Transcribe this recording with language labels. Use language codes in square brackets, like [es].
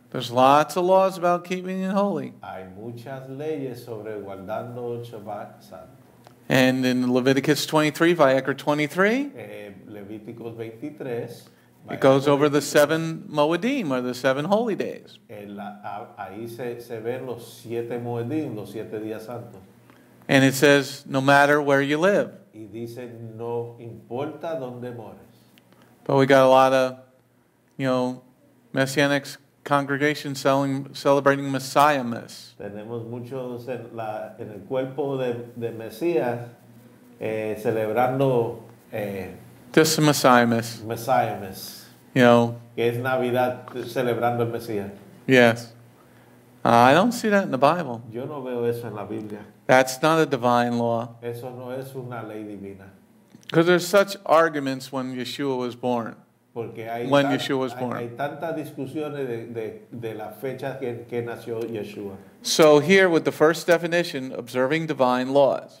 [en] There's lots of laws about keeping it holy. [es] Hay muchas leyes sobre guardando el Shabbat santo. [en] And in Leviticus 23, Vayikra 23, [es] Levíticos 23, [en] It goes over the seven Moedim, or the seven holy days. And it says, no matter where you live. [es] Y dice, no importa donde mores. [en] But we got a lot of, you know, Messianic congregations celebrating Messiah-mas. [es] Tenemos muchos en, la, en el cuerpo de, de Mesías celebrando... [en] just a Messiah-mas. Messiah-mas. You know. [es] Que es Navidad celebrando el Mesías. [en] Yes. I don't see that in the Bible. [es] Yo no veo eso en la Biblia. [en] That's not a divine law. [es] Eso no es una ley divina. [en] Because there's such arguments when Yeshua was born. [es] Porque hay [en] when Yeshua was born. [es] Hay tantas discusiones de la fecha que nació Yeshua. [en] So here with the first definition, observing divine laws.